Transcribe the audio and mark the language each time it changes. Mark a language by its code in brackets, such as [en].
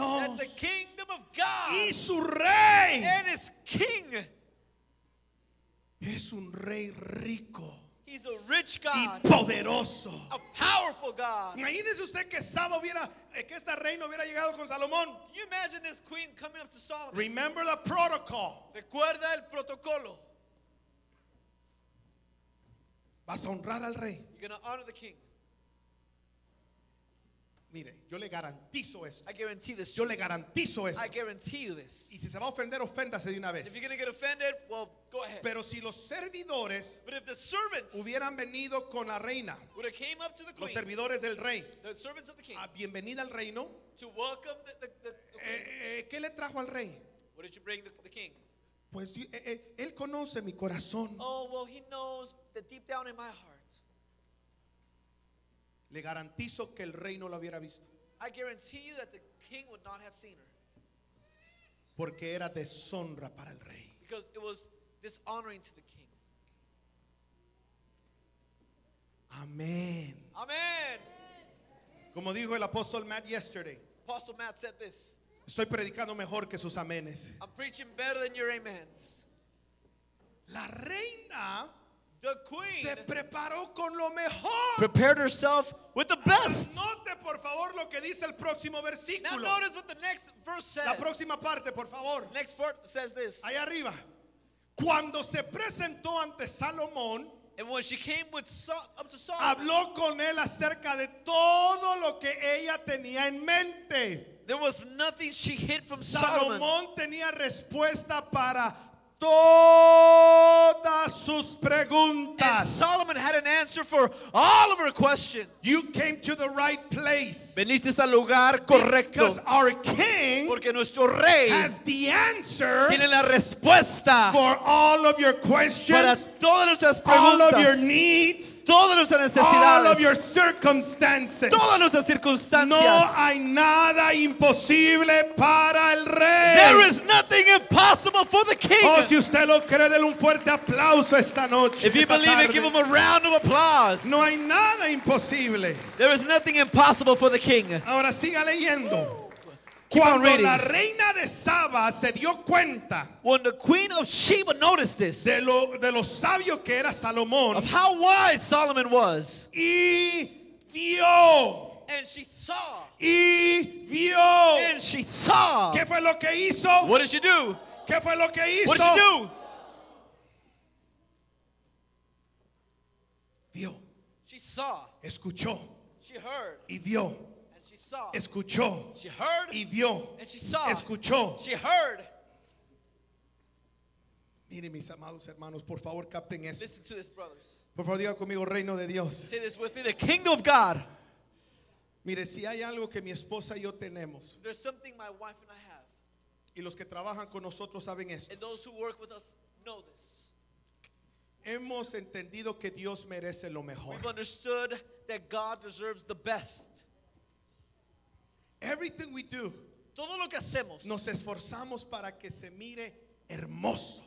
[en] that the kingdom of God [es] y su rey, [en] and his king [es] es un rey rico, [en] he's a rich God [es] y poderoso, [en] a powerful God. [es] Imagínese usted que Saba hubiera, que esta reina hubiera llegado con Salomón. [en] Can you imagine this queen coming up to Solomon? Remember the protocol. [es] Recuerda el protocolo. Vas a honrar al rey. [en] You're going to honor the king. [es] Mire, yo le garantizo esto. [en] I guarantee this. [es] Yo le garantizo esto. [en] I guarantee you this. [es] Y si se va a ofender, oféndase de una vez. [en] If you're going to get offended, well, go ahead. [es] Pero si los servidores, [en] but if the servants [es] hubieran venido con la reina, [en] would have came up to the queen, [es] los servidores del rey, [en] the servants of the king, [es] a bienvenida al reino, [en] to welcome the queen. [es] ¿Qué le trajo al rey? [en] What did you bring the king? [es] Pues él conoce mi corazón. [en] Oh, well, he knows the deep down in my heart. [es] Le garantizo que el rey no la hubiera visto. [en] I guarantee you that the king would not have seen her. [es] Porque era deshonra para el rey. [en] Because it was dishonoring to the king. [es] Amén. [en] Amén. [es] Como dijo el apóstol Matt yesterday. [en] Apostle Matt said this. [es] Estoy predicando mejor que sus amenes. [en] I'm preaching better than your amens. [es] La reina, [en] the queen, [es] se preparó con lo mejor. [en] Prepared herself with the best. [es] Note, por favor, lo que dice el próximo versículo. [en] Now notice what the next verse says. [es] La próxima parte, por favor. [en] Next part says this. [es] Ahí arriba. Cuando se presentó ante Salomón, [en] and when she came with up to Solomon, [es] habló con él acerca de todo lo que ella tenía en mente. [en] There was nothing she hid from Solomon. [es] Salomón tenía respuesta para todas sus preguntas. [en] And Solomon had an answer for all of her questions. You came to the right place. [es] Veniste al lugar correcto. [en] Because our king, [es] porque nuestro rey, [en] has the answer, [es] tiene la respuesta, [en] for all of your questions, [es] para todas nuestras preguntas, [en] all of your needs, [es] todas nuestras necesidades, [en] all of your circumstances, [es] todas nuestras circunstancias. No hay nada imposible para el rey. [en] There is nothing impossible for the king. [es] Oh, si usted lo cree, dele un fuerte aplauso esta noche. [en] If you believe it, give him a round of applause. [es] No hay nada imposible. [en] There is nothing impossible for the king. [es] Ahora siga leyendo. [en] Keep [es] cuando la reina de Saba se dio cuenta, [en] when the queen of Sheba noticed this, [es] de lo sabio que era Salomón, [en] of how wise Solomon was, [es] y dio, [en] And she saw. [es] Y vio. [en] And she saw. [es] ¿Qué fue lo que hizo? [en] What did she do? [es] ¿Qué fue lo que hizo? [en] What did she do? [es] Vio. [en] She saw. [es] Escuchó. [en] She heard. [es] Y vio. [en] And she saw. [es] Escuchó. [en] She heard. [es] Y vio. [en] And she saw. [es] Escuchó. [en] She heard. [es] Miren, mis amados hermanos, por favor, capten eso. [en] Listen to this, brothers. [es] Por favor, diga conmigo, reino de Dios. [en] Say this with me, the kingdom of God. [es] Mire, si hay algo que mi esposa y yo tenemos. [en] There's something my wife and I have. [es] Y los que trabajan con nosotros saben esto. [en] And those who work with us know this. [es] Hemos entendido que Dios merece lo mejor. [en] We've understood that God deserves the best. Everything we do. [es] Todo lo que hacemos. Nos esforzamos para que se mire hermoso.